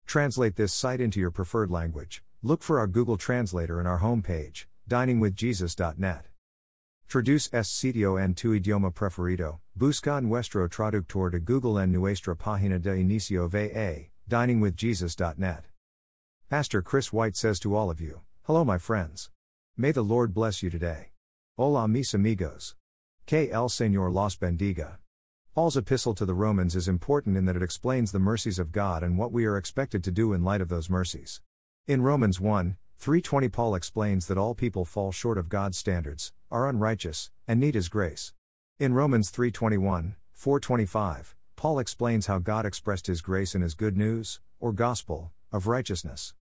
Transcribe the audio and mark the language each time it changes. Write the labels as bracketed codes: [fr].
[en] Translate this site into your preferred language. Look for our Google Translator in our homepage, diningwithjesus.net. [es] Traduce este sitio en tu idioma preferido. Busca nuestro traductor de Google en nuestra página de inicio VA, diningwithjesus.net. [en] Pastor Chris White says to all of you, hello my friends. May the Lord bless you today. [es] Hola mis amigos. Que el Señor los bendiga. [en] Paul's epistle to the Romans is important in that it explains the mercies of God and what we are expected to do in light of those mercies. In Romans 1:3-20, Paul explains that all people fall short of God's standards, are unrighteous, and need His grace. In Romans 3:21-4:25, Paul explains how God expressed His grace in His good news, or gospel, of righteousness.